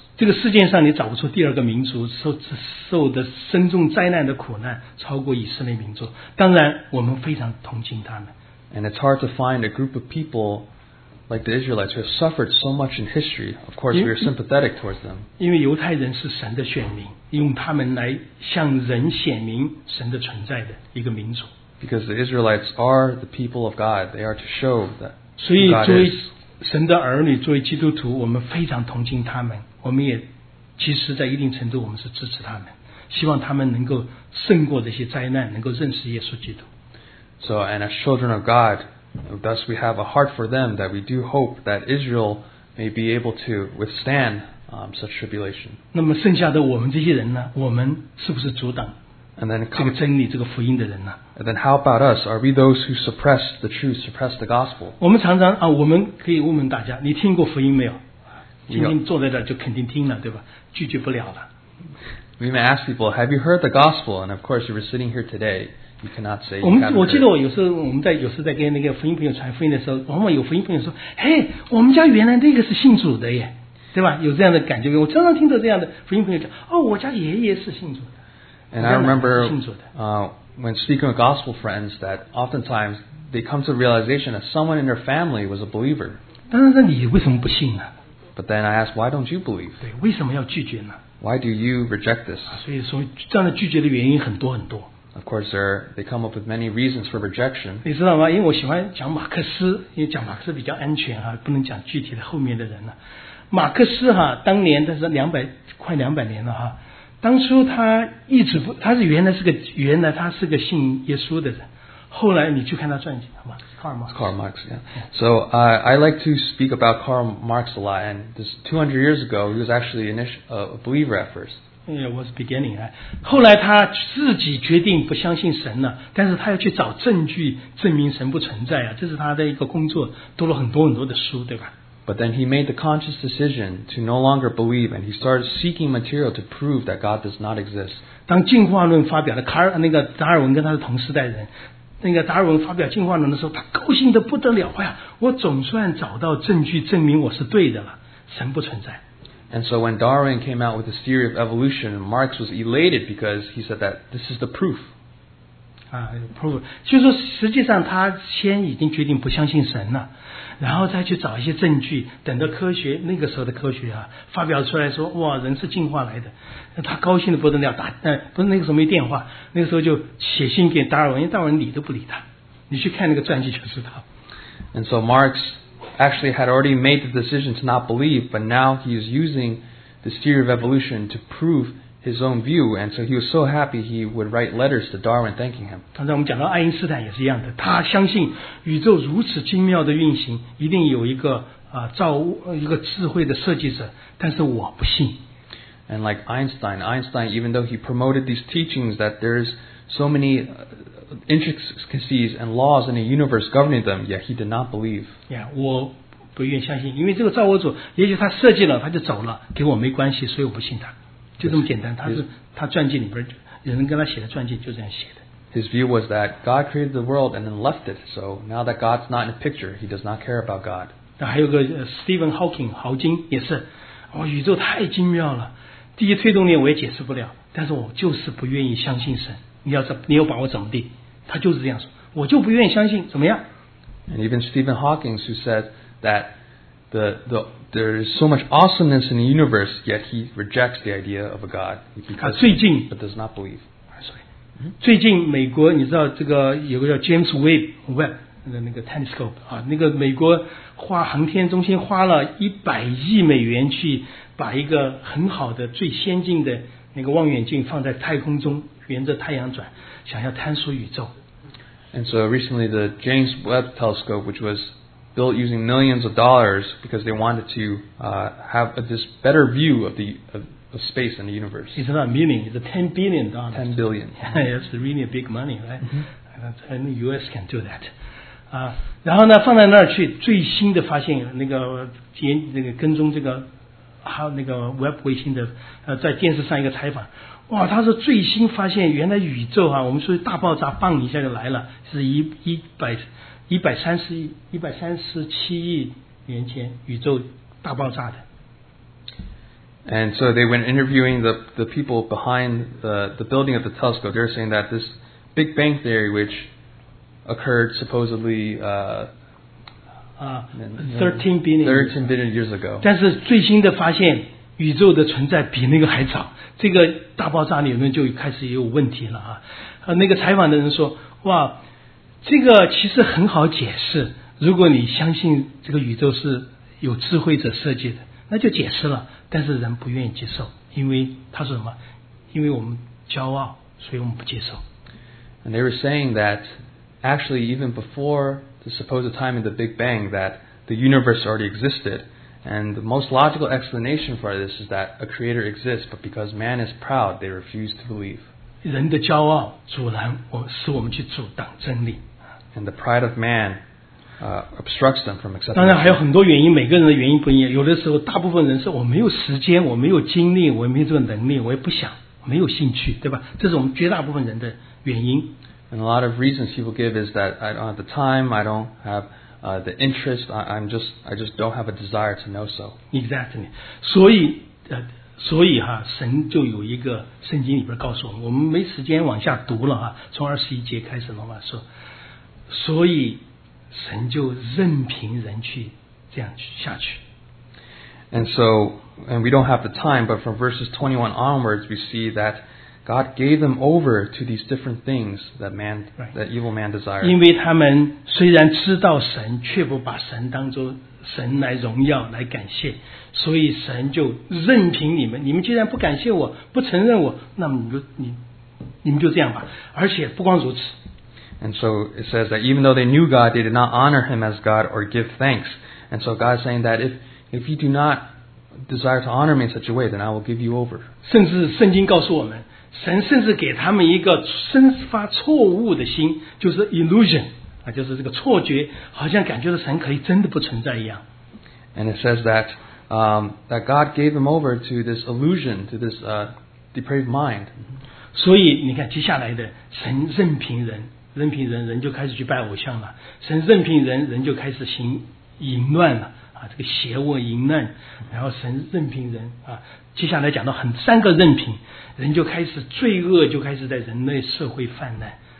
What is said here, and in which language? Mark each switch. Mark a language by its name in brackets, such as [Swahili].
[Chinese] 这个世界上你找不出第二个民族受的深重灾难的苦难超过以色列民族。当然，我们非常同情他们。 [English] And it's hard to find a group of people like the Israelites who have suffered so much in history. Of course, we are sympathetic towards them. [Chinese] 因为犹太人是神的选民，用他们来向人显明神的存在的一个民族。 [English] Because the Israelites are the people of God, they are to show that God is. [Chinese] 所以，作为神的儿女，作为基督徒，我们非常同情他们。我们也其实，在一定程度，我们是支持他们，希望他们能够胜过这些灾难，能够认识耶稣基督。 [English] So, and as children of God, thus we have a heart for them that we do hope that Israel may be able to withstand such tribulation. [Chinese] 那么剩下的我们这些人呢？我们是不是阻挡这个真理、这个福音的人呢？ [English] And then how about us? Are we those who suppress the truth, suppress the gospel? [Chinese] 我们常常啊，我们可以问问大家，你听过福音没有？今天坐在这就肯定听了，对吧？拒绝不了了。 [English] We may ask people, "Have you heard the gospel?" And of course, if you're sitting here today. You cannot say. [Chinese] 我记得我有时候我们在有时候在跟那个福音朋友传福音的时候，往往有福音朋友说：“嘿，我们家原来那个是信主的耶，对吧？” 有这样的感觉。我常常听到这样的福音朋友讲：“哦，我家爷爷是信主的。 [English] ”And I remember, when speaking with gospel friends, that oftentimes they come to the realization that someone in their family was a believer. [Chinese] 但是你为什么不信呢 [English] ？But then I ask, why don't you believe? [Chinese] 对，为什么要拒绝呢 [English] ？Why do you reject this? [Chinese] 所以说，这样的拒绝的原因很多很多。 [English] Of course, they come up with many reasons for rejection. [Chinese] 你知道吗？因为我喜欢讲马克思，因为讲马克思比较安全哈，不能讲具体的后面的人了。马克思哈，当年他是快两百年了哈。当初他一直不，他是原来他是个信耶稣的人。后来你去看他传记，好吧 ？Karl Marx. [English] Karl Marx. Yeah. So I like to speak about Karl Marx a lot. And this 200 years ago, he was actually a believer at first. It was beginning. [Chinese] 后来他自己决定不相信神了，但是他要去找证据证明神不存在啊，这是他的一个工作，读了很多很多的书，对吧 [English] ？But then he made the conscious decision to no longer believe, and he started seeking material to prove that God does not exist. [Chinese] 当进化论发表了，达尔文跟他是同时代人，那个达尔文发表进化论的时候，他高兴得不得了，哎呀，我总算找到证据证明我是对的了，神不存在。 [English] And so when Darwin came out with his theory of evolution, Marx was elated because he said that this is the proof. Proof. [Chinese] 就说实际上他先已经决定不相信神了，然后再去找一些证据，等到科学那个时候的科学啊发表出来说，哇，人是进化来的，他高兴的不得了，不是那个时候没电话，那个时候就写信给达尔文，因为达尔文理都不理他，你去看那个传记就知道。 [English] And so Marx. Actually, had already made the decision to not believe, but now he is using the theory of evolution to prove his own view. And so he was so happy he would write letters to Darwin thanking him. [Chinese] 刚才我们讲到爱因斯坦也是一样的，他相信宇宙如此精妙的运行，一定有一个一个智慧的设计者。但是我不信。 [English] And like Einstein, even though he promoted these teachings that there is so many. Intricacies and laws in the universe governing them. Yet he did not believe. [Chinese] Yeah, 我不愿相信，因为这个造物主，也许他设计了，他就走了，跟我没关系，所以我不信他，就这么简单。他传记里边，人跟他写的传记就这样写的。 [English] His view was that God created the world and then left it. So now that God's not in the picture, he does not care about God. [Chinese] 那还有个Stephen Hawking， 豪金也是，哦，宇宙太精妙了，第一推动力我也解释不了，但是我就是不愿意相信神。你有把握怎么地？他就是这样说，我就不愿意相信，怎么样 [English] ？And even Stephen Hawking, who said that the there is so much awesomeness in the universe, yet he rejects the idea of a God because but does not believe. Sorry. [Chinese] 最近美国，你知道这个有个叫 James Webb 的那个 telescope 啊，那个美国花航天中心花了$100亿去把一个很好的、最先进的那个望远镜放在太空中。沿着太阳转，想要探索宇宙。 [English] And so recently, the James Webb Telescope, which was built using millions of dollars because they wanted to have this better view of the of space and the universe. It's not million; it's $10 billion. $10 billion. Yeah, it's really a big money, right? Mm-hmm. And the U.S. can do that. [Chinese] 啊，然后呢放在那儿去，最新的发现那个那个跟踪这个还有那个 Web 卫星的在电视上一个采访，哇，他说最新发现原来宇宙啊，我们说大爆炸棒一下就来了，是137亿年前宇宙大爆炸的。 [English] And so they went interviewing the people behind the building of the telescope. They're saying that this Big Bang theory, which occurred supposedly 13 billion years ago. [Chinese] 但是最新的发现，宇宙的存在比那个还早。这个大爆炸理论就开始有问题了啊！那个采访的人说，哇，这个其实很好解释。如果你相信这个宇宙是有智慧者设计的，那就解释了。但是人不愿意接受，因为他说什么？因为我们骄傲，所以我们不接受。 [English] And they were saying that actually even before the supposed time of the Big Bang, that the universe already existed. And the most logical explanation for this is that a creator exists, but because man is proud, they refuse to believe. [Chinese] 人的骄傲阻拦我，使我们去阻挡真理。 [English] And the pride of man obstructs them from accepting. [Chinese] 当然还有很多原因，每个人的原因不一样。有的时候，大部分人是我没有时间，我没有精力，我没有这个能力，我也不想，没有兴趣，对吧？这是我们绝大部分人的原因。 [English] And a lot of reasons people give is that I don't have the time, I don't have the interest, I just don't have a desire to know so. Exactly. [Chinese] 所以所以哈，神就有一个圣经里边告诉我们，我们没时间往下读了哈，从21节开始了嘛，说，所以神就任凭人去这样下去。 [English] And so, and we don't have the time, but from verses 21 onwards, we see that God gave them over to these different things that man, right. that evil man desired. [Chinese] 因为他们虽然知道神，却不把神当作神来荣耀来感谢，所以神就任凭你们。你们既然不感谢我，不承认我，那么你们就这样吧。而且不光如此。 [English] And so it says that even though they knew God, they did not honor Him as God or give thanks. And so God is saying that if you do not desire to honor me in such a way, then I will give you over. [Chinese] 甚至圣经告诉我们，神甚至给他们一个生发错误的心，就是 illusion 啊，就是这个错觉，好像感觉到神可以真的不存在一样。 [English] And it says that that God gave them over to this illusion, to this depraved mind. [Chinese] 所以你看接下来的神任凭人。任凭人，人就开始去拜偶像了。神任凭人，人就开始行淫乱了啊，这个邪恶淫乱。然后神任凭人啊，接下来讲到很三个任凭，人就开始罪恶，就开始在人类社会泛滥。